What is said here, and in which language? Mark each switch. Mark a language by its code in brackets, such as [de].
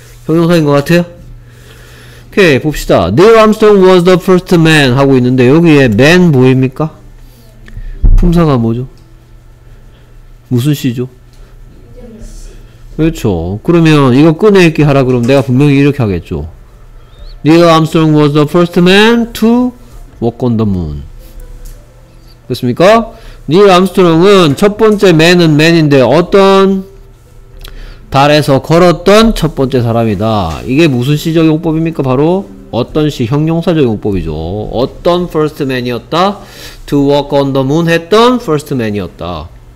[ko] 형용사인 것 같아요? 오케이, 봅시다. [en] Neil Armstrong was the first man [ko] 하고 있는데 여기에 man 보입니까? 품사가 뭐죠? 무슨 시죠? 그렇죠. 그러면 이거 꺼내읽기 하라 그러면 내가 분명히 이렇게 하겠죠. [en] Neil Armstrong was the first man to walk on the moon. [ko] 됐습니까? 닐 암스트롱은 첫 번째 맨은 맨인데 어떤 달에서 걸었던 첫 번째 사람이다. 이게 무슨 시적 용법입니까? 바로 어떤 시, 형용사적 용법이죠. 어떤 퍼스트 맨이었다? [en] To walk on the moon [ko] 했던 퍼스트 맨이었다.